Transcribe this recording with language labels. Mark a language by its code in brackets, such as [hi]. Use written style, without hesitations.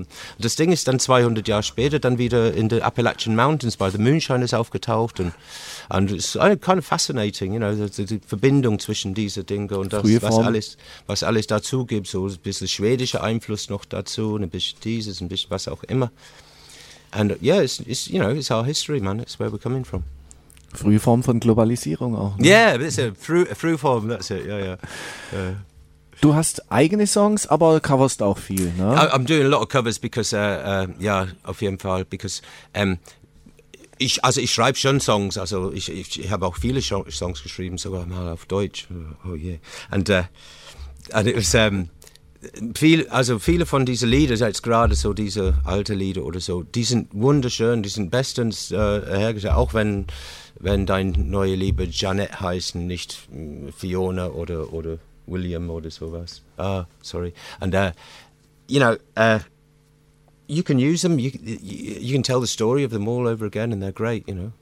[de] Und das Ding ist dann 200 Jahre später dann wieder in den Appalachian Mountains bei The Moonshine ist aufgetaucht. Und es ist [en] kind of fascinating, you know, [de] die Verbindung zwischen diesen Dingen und das, was alles dazu gibt. So ein bisschen schwedischer Einfluss noch dazu, ein bisschen dieses, ein bisschen was auch immer. [en] And yeah, it's you know, it's our history, man. It's where we're coming from. [de] Frühform von Globalisierung auch. Ne? [en] Yeah, it's a frühform, that's it, yeah, yeah. [de] Du hast eigene Songs, aber coverst auch viel, ne? [en] I'm doing a lot of covers because, yeah, [de] auf jeden Fall, [en] because [de] ich schreibe schon Songs, also ich habe auch viele Songs geschrieben, sogar mal auf Deutsch, [en] oh yeah. And it was... [de] Viele von diesen Liedern, jetzt gerade so diese alten Lieder oder so, die sind wunderschön, die sind bestens hergestellt, auch wenn dein neue Liebe Janet heißen, nicht Fiona oder William oder sowas. [en] Ah, sorry. And, you know, you can use them, you can tell the story of them all over again and they're great, you know.